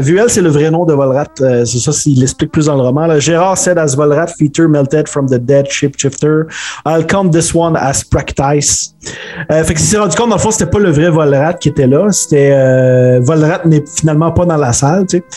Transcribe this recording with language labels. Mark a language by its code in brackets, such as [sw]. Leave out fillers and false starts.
[fr] Vuel, c'est le vrai nom de Volrath. C'est ça, s'il l'explique plus dans le roman. Là. [en] Gérard said as Volrath feature melted from the dead shapeshifter. I'll count this one as practice. [fr] Fait qu'il s'est rendu compte, dans le fond, c'était pas le vrai Volrath qui était là. C'était Volrath n'est finalement pas dans la salle. Tu sais.